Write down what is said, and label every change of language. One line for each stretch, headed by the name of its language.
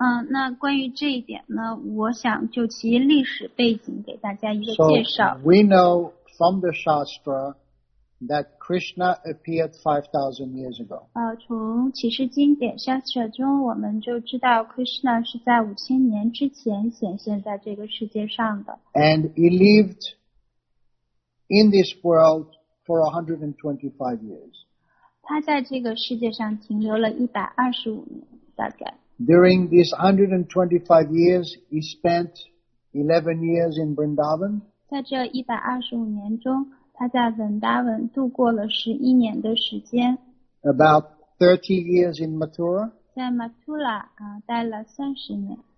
Chinese: 那关于这一点呢，我想就其历史背景给大家一个介绍。
English: So we know from the Shastra that Krishna appeared 5,000 years ago.
Chinese: 从启示经典 Shastra 中我们就知道 Krishna 是在5000年之前显现在这个世界上的。
English: And he lived in this world for 125 years.
Chinese: 他在这个世界上停留了125年大概。
English: During these 125 years, he spent 11 years in Vrindavan.
Chinese: 在这125年中他在 Vrindavan 度过了11年的时间。
English: About 30 years in Mathura.
Chinese: 在 Mathura 待了30年。